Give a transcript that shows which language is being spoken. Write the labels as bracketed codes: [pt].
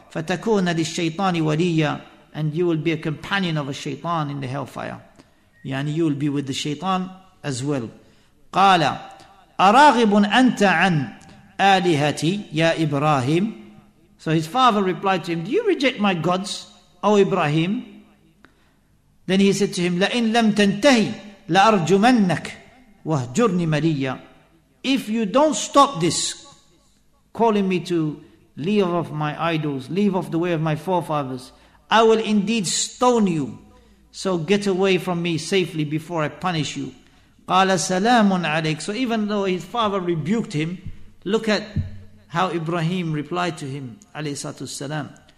[ar] فَتَكُونَ لِلشَّيْطَانِ وَلِيَّا. [en] And you will be a companion of a shaitan in the hellfire. Yani you will be with the shaitan as well. [ar] قَالَ أَرَاغِبٌ أَنْتَ عَنْ آلِهَتِي يَا إِبْرَاهِيمُ. [en] So his father replied to him, do you reject my gods, O Ibrahim? Then he said to him, [ar] لَإِنْ لَمْ تَنْتَهِ لَأَرْجُمَنَّكَ وَهْجُرْنِي مَلِيَّا. [en] If you don't stop this, calling me to leave off my idols, leave off the way of my forefathers, I will indeed stone you. So get away from me safely before I punish you. [ar] قَالَ سَلَامٌ عَلَيْكَ. [en] So even though his father rebuked him, look at how Ibrahim replied to him, [ar] عَلَيْهِ سَلَامُ السَّلَامُ.